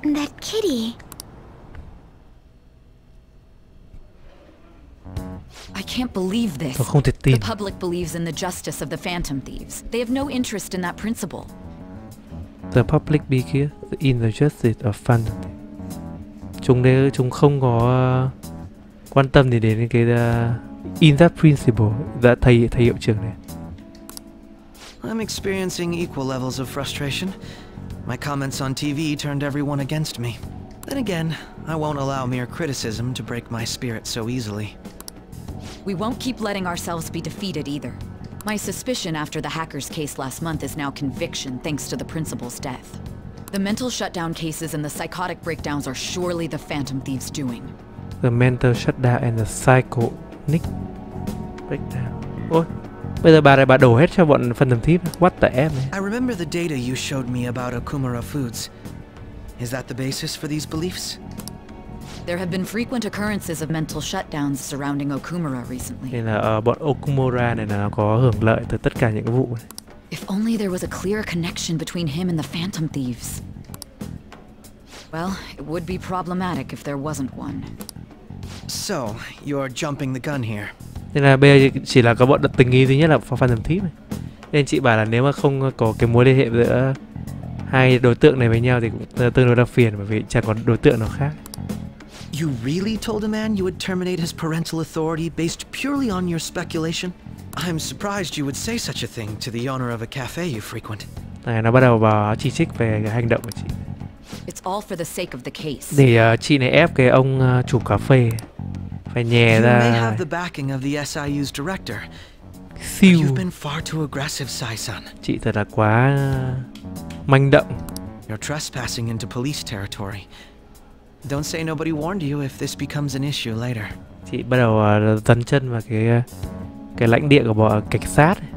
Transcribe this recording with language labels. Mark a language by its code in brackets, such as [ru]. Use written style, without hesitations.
[en] That kitty. I can't believe this. The public believes in the justice of the Phantom Thieves. They have no interest in that principle. The public believes in the justice of Phantom. [vi] Chúng không có quan tâm gì đến cái [en] in that principle, that [vi] thầy hiệu trưởng này. [en] I'm experiencing equal levels of frustration. My comments on TV turned everyone against me. Then again, I won't allow mere criticism to break my spirit so easily. We won't keep letting ourselves be defeated either. My suspicion after the hacker's case last month is now conviction, thanks to the principal's death. The mental shutdown cases and the psychotic breakdowns are surely the Phantom Thieves' doing. The mental shutdown and the psychotic breakdown. [vi] Oh, bây giờ bà lại bà đổ hết cho bọn Phantom Thieves. [en] What the f? I remember the data you showed me about Okumura Foods. Is that the basis for these beliefs? There have been frequent occurrences of mental shutdowns surrounding Okumura recently. [vi] Nên là bọn Okumura này là nó có hưởng lợi từ tất cả những cái vụ này. [en] If only there was a clear connection between him and the Phantom Thieves. Well, it would be problematic if there wasn't one. So, you're jumping the gun here. [vi] Nên là bây giờ chỉ là có bọn đặt tình nghi duy nhất là Phantom Thief này. Nên chị bảo là nếu mà không có cái mối liên hệ giữa hai đối tượng này với nhau thì cũng tương đối là phiền bởi vì chẳng còn đối tượng nào khác. [en] You really told a man you would terminate his parental authority based purely on your speculation? I'm surprised you would say such a thing to the owner of a cafe you frequent. [vi] Này, nó bắt đầu vào chỉ trích về cái hành động của chị. [en] It's all for the sake of the case. [vi] Để chị này ép cái ông chủ cà phê phải nhè [en] you [vi] ra. [en] You may have the backing of the SIU's director. [vi] Siêu. [en] You've been far too aggressive, Sai-san. [vi] Chị thật là quá manh động. [en] You're trespassing into police territory. Don't say nobody warned you if this becomes an issue later. [vi] Chị bắt đầu dấn chân vào cái lãnh địa của bọn cảnh sát.